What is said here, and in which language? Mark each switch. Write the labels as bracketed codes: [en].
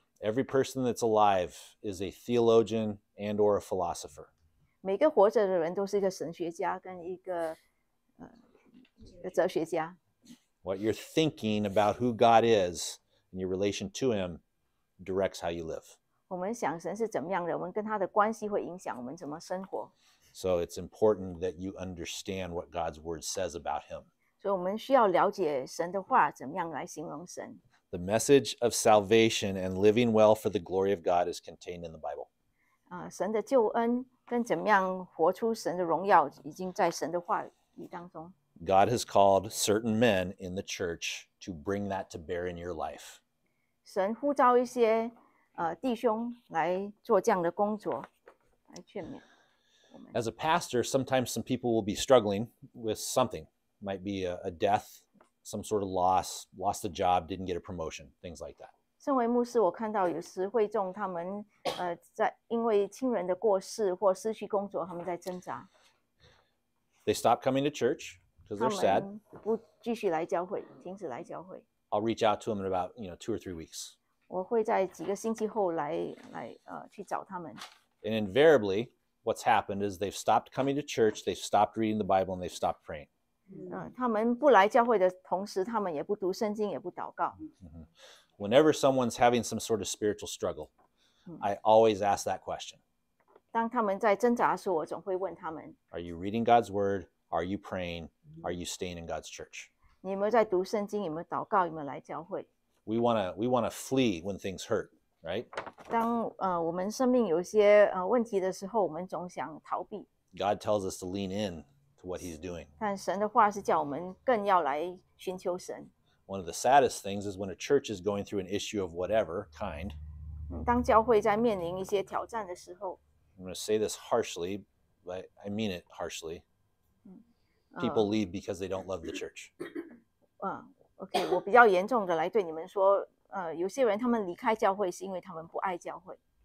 [en] Every person that's alive is a theologian and or a philosopher. [zh] 每个活着的人都是一个神学家跟一个哲学家。 [en] What you're thinking about who God is and your relation to Him directs how you live. [zh] 我们想神是怎么样的，我们跟他的关系会影响我们怎么生活。 [en] So it's important that you understand what God's word says about Him. [zh] 所以我们需要了解神的话怎么样来形容神。 [en] The message of salvation and living well for the glory of God is contained in the Bible. [zh] 神的救恩跟怎么样活出神的荣耀已经在神的话语当中。 [en] God has called certain men in the church to bring that to bear in your life. [zh] 神呼召一些弟兄来做这样的工作，来劝勉。 [en] As a pastor, sometimes some people will be struggling with something. Might be a death, some sort of loss, lost a job, didn't get a promotion, things like that. [zh] 身为牧师，我看到有时会中他们在因为亲人的过世或失去工作，他们在挣扎。 [en] They stop coming to church because they're sad. [zh] 他们不继续来教会，停止来教会。 [en] I'll reach out to them in about, you know, 2 or 3 weeks. [zh] 我会在几个星期后来去找他们。 [en] And invariably,What's happened is they've stopped coming to church, they've stopped reading the Bible, and they've stopped praying. [zh] 他们不来教会的同时，他们也不读圣经，也不祷告。 [en] Whenever someone's having some sort of spiritual struggle, I always ask that question. [zh] 当他们在挣扎的时候，我总会问他们。 [en] Are you reading God's word? Are you praying? Are you staying in God's church? [zh] 你有没有在读圣经？有没有祷告？有没有来教会？ [en] We wanna flee when things hurt. Right? [zh] 当我们生命有些问题的时候，我们总想逃避。 [en] God tells us to lean in to what He's doing. [zh] 但神的话是叫我们更要来寻求神。 [en] One of the saddest things is when a church is going through an issue of whatever kind. [zh] 当教会在面临一些挑战的时候。 [en] I'm going to say this harshly, but I mean it harshly. People leave because they don't love the church. [zh] Okay, 我比较严重的来对你们说。有些人他们离开教会是因为他们不爱教会。